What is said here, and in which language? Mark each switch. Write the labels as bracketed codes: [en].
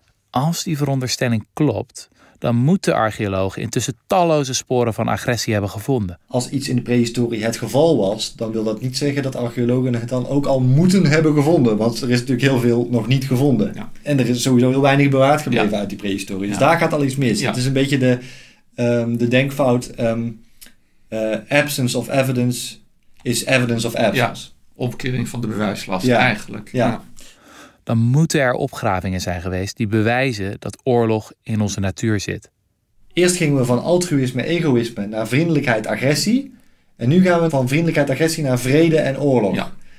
[nl] Als die veronderstelling klopt, dan moet de archeoloog intussen talloze sporen van agressie hebben gevonden. Als iets in de prehistorie het geval was, dan wil dat niet zeggen dat archeologen het dan ook al moeten hebben gevonden. Want er is natuurlijk heel veel nog niet gevonden. Ja. En er is sowieso heel weinig bewaard gebleven uit die prehistorie. Dus daar gaat al iets mis. Ja. Het is een beetje de denkfout. [en] Absence of evidence is evidence of absence. [nl] Ja. Omkering van de bewijslast eigenlijk. Ja. Dan moeten er opgravingen zijn geweest die bewijzen dat oorlog in onze natuur zit. Eerst gingen we van altruïsme, egoïsme naar vriendelijkheid, agressie. En nu gaan we van vriendelijkheid, agressie naar vrede en oorlog. Ja.